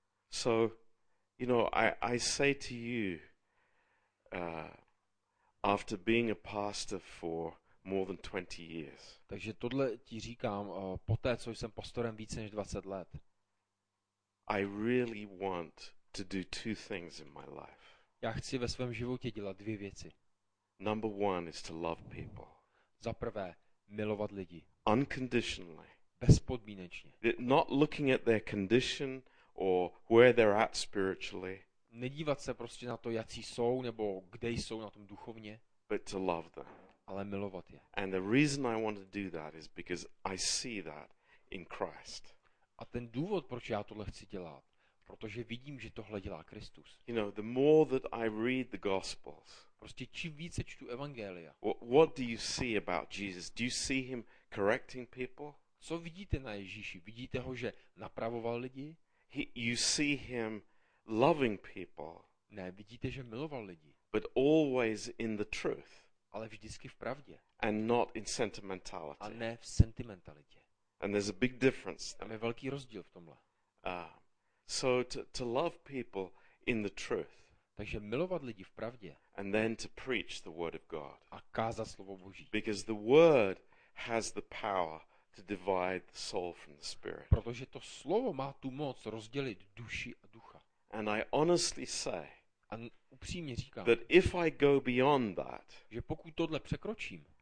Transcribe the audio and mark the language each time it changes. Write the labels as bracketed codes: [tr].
[en] So, you know, I say to you, after being a pastor for more than 20 years. [cs] Takže tohle ti říkám poté, co jsem pastorem více než 20 let. [en] I really want to do two things in my life. [cs] Já chci ve svém životě dělat dvě věci. [en] Number one is to love people. [cs] Za prvé, milovat lidi. [en] Unconditionally. [cs] Bezpodmínečně. [en] Not looking at their condition or where they're at spiritually. [cs] Nedívat se prostě na to, jací jsou nebo kde jsou na tom duchovně. [en] But to love them. [cs] Ale milovat je. [en] And the reason I want to do that is because I see that in Christ. [cs] A ten důvod, proč já tohle chci dělat, protože vidím, že tohle dělá Kristus. [en] You know, the more that I read the gospels. [cs] Prostě čím více čtu evangelia. [en] What do you see about Jesus? Do you see him correcting people? [cs] Co vidíte na Ježíši? Vidíte ho, že napravoval lidi? [en] You see him loving people. [cs] Ne, vidíte, že miloval lidi. [en] But always in the truth. [cs] Ale vždycky v pravdě. [en] And not in sentimentality. [cs] A ne v sentimentalitě. [en] And there's a big difference. [cs] Tam je velký rozdíl v tomhle. [en] So to love people in the truth. [cs] Takže milovat lidi v pravdě. [en] And then to preach the word of God. [cs] A kázat slovo Boží. [en] Because the word has the power to divide the soul from the spirit. [cs] Protože to slovo má tu moc rozdělit duši a ducha. [en] And I honestly say, [cs] a upřímně říkám, [en] that if I go beyond that, [cs] že pokud tohle překročím,